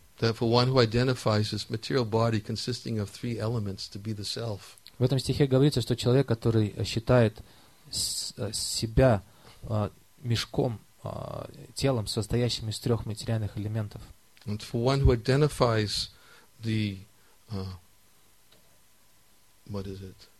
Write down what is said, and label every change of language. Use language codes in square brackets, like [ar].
[en] Therefore, one who identifies his material body consisting of three elements to be the self. [ru] В этом стихе говорится, что человек, который считает себя мешком, телом, состоящим из трех материальных элементов. [en] And for one who identifies the what is it?